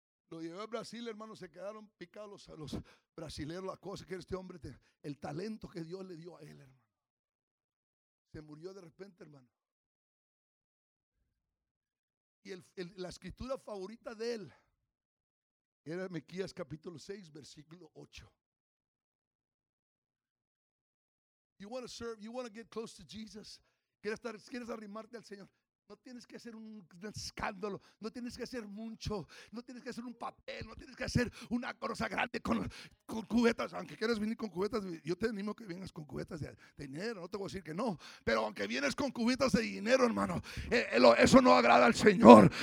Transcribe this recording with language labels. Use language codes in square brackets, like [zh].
[es] Lo llevé a Brasil, hermano, se quedaron picados los brasileños, la cosa que este hombre, el talento que Dios le dio a él, hermano. Se murió de repente, hermano. Y la escritura favorita de él era Miqueas capítulo 6, versículo 8. [en] You want to serve, you want to get close to Jesus. [es] ¿Quieres arrimarte al Señor? No tienes que hacer un escándalo, no tienes que hacer mucho, no tienes que hacer un papel, no tienes que hacer una cosa grande con cubetas. Aunque quieras venir con cubetas, yo te animo a que vengas con cubetas de dinero, no te voy a decir que no. Pero aunque vienes con cubetas de dinero, hermano, eso no agrada al Señor.